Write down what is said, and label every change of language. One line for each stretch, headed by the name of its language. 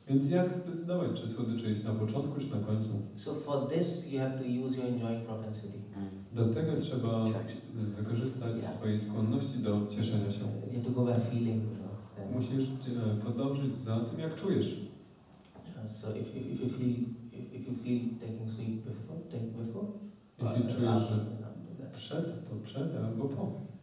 Polish: Więc jak zdecydować, czy słodycze jest na początku, czy na końcu?
English: So for this you have to use your enjoying propensity.
Polish: Do tego trzeba wykorzystać swoje skłonności do cieszenia się.
English: You have to go by feeling.
Polish: Musisz podążyć za tym, jak czujesz.
English: So if you feel taking sweet before, take before.
Polish: Jeśli czujesz, że przed, to przed, albo po.